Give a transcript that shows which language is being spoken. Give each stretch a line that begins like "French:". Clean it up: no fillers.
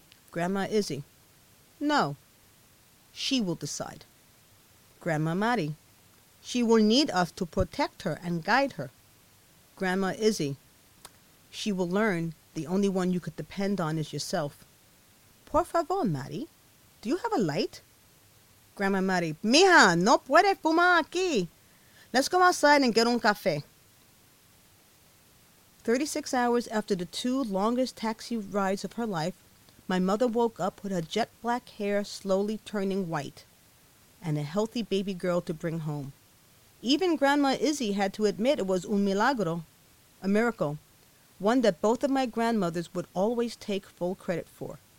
English: Grandma Izzy, no, she will decide. Grandma Mari, she will need us to protect her and guide her. Grandma Izzy, she will learn the only one you could depend on is yourself.
Spanish: Por favor,
English: Mari, do you have a light?
Spanish: Grandma Mari, mija, no puede fumar aquí.
English: Let's go outside and get
Spanish: un café.
English: 36 hours after the two longest taxi rides of her life, my mother woke up with her jet-black hair slowly turning white and a healthy baby girl to bring home. Even Grandma Izzy had to admit it was
Spanish: un milagro,
English: a miracle, one that both of my grandmothers would always take full credit for.